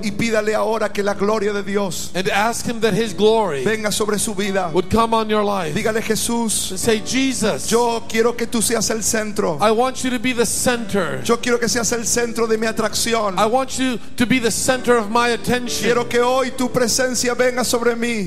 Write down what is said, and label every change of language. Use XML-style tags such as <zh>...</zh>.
<es>Y pídale ahora que la gloria de Dios.</es> <en>And ask him that his glory.</en> <es>Venga sobre su vida.</es> <en>Would come on your life.</en> <es>Dígale Jesús.</es> <en>Say Jesus.</en> <es>Yo quiero que tú seas el centro.</es> <en>I want you to be the center.</en> <es>Yo quiero que seas el centro de mi atracción.</es> <en>I want you to be the center of my attention.</en> <es>Quiero que hoy tu presencia venga sobre mí.</es>